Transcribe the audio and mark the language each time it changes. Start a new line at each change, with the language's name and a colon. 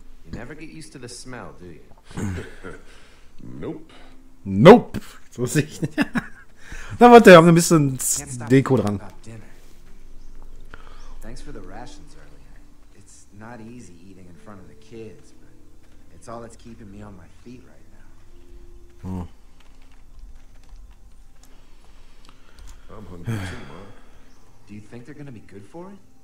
English: You never get used to the smell, do you? Nope. Nope.
German: So sehe ich nicht. Na warte, wir haben ein bisschen Deko dran.
English: Thanks for the rations earlier. It's not easy eating in front of the kids, but it's all that's keeping me on my feet right now. I'm hungry too, Mark. Do you think they're gonna be good for it?